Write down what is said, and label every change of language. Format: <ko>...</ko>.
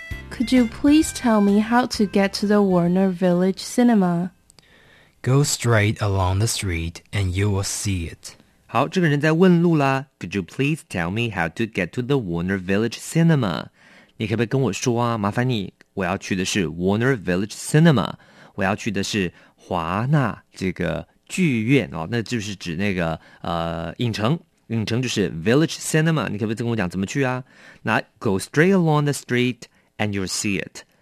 <en>Could you please tell me how to get to the Warner Village Cinema? Go straight along the street and you will see it.</en> <zh>好，这个人在问路啦。</zh> <en>Could you please tell me how to get to the Warner Village Cinema?</en> <zh>你可不可以跟我说啊？麻烦你，我要去的是 Warner Village Cinema. 我要去的是华纳这个剧院哦，那就是指那个影城。影城就是 Village Cinema. 你可不可以跟我讲怎么去啊？</zh> <en>那 go straight along the street and you'll see it.</en>